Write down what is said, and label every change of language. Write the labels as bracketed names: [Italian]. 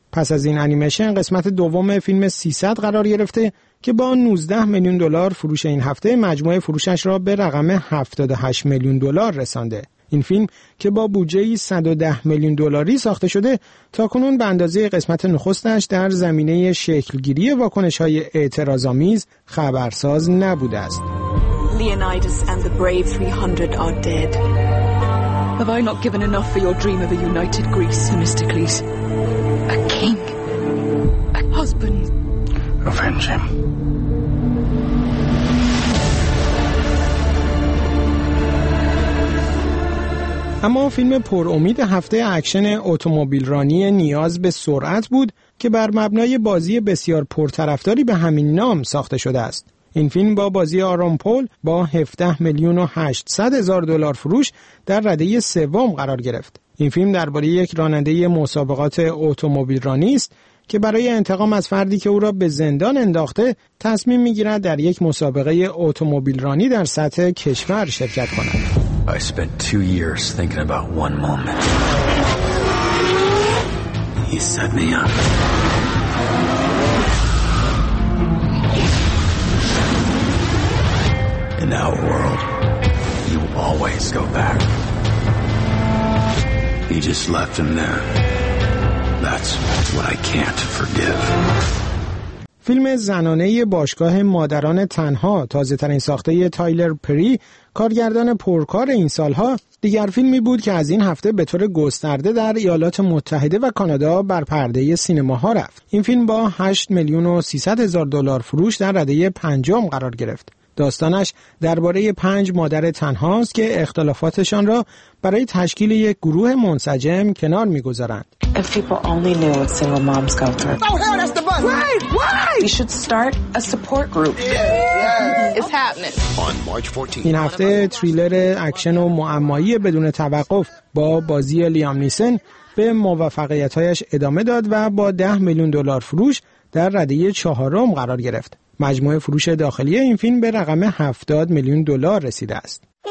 [Persian] پس از این انیمیشن قسمت دوم فیلم 300 قرار گرفته که با 19 میلیون دلار فروش این هفته مجموعه فروشش را به رقم 78 میلیون دلار رسانده. این فیلم که با بودجه 110 میلیون دلاری ساخته شده تاکنون به اندازه قسمت نخستش در زمینه شکلگیری واکنش‌های اعتراض‌آمیز خبرساز نبوده است. [English] Leonidas and the brave 300 are dead. Have I not given enough for your dream of a united Greece, Themistocles? A king. A husband. Avenge him. [Persian] اما فیلم پر امید هفته اکشن اتومبیل رانی نیاز به سرعت بود که بر مبنای بازی بسیار پرطرفداری به همین نام ساخته شده است. این فیلم با بازی آرون پول با 17 میلیون و 800 هزار دلار فروش در رده سوم قرار گرفت. این فیلم درباره یک راننده مسابقات اتومبیل رانی است که برای انتقام از فردی که او را به زندان انداخته تصمیم میگیرد در یک مسابقه اتومبیل رانی در سطح کشور شرکت کند. [English] I spent 2 years thinking about one moment. He set me up. In our world, you always go back. He just left him there. That's what I can't forgive. [Persian] فیلم زنانه باشگاه مادران تنها، تازه ترین ساخته تایلر پری، کارگردان پرکار این سالها، دیگر فیلمی بود که از این هفته به طور گسترده در ایالات متحده و کانادا بر پرده سینماها رفت. این فیلم با 8 میلیون و 300 هزار دلار فروش در رده پنجم قرار گرفت. داستانش درباره 5 مادر تنهاست که اختلافاتشان را برای تشکیل یک گروه منسجم کنار می‌گذارند. [English] If people only knew what single moms go through. Oh, hell, that's the bus. Why? We should start a support group. It's happening. On March 14th. [Persian] این هفته تریلر اکشن و معمایی بدون توقف با بازی لیام نیسن به موفقیت‌هایش ادامه داد و با 10 میلیون دلار فروش در رده 4 قرار گرفت. مجموعه فروش داخلی این فیلم به رقم 70 میلیون دلار رسیده است.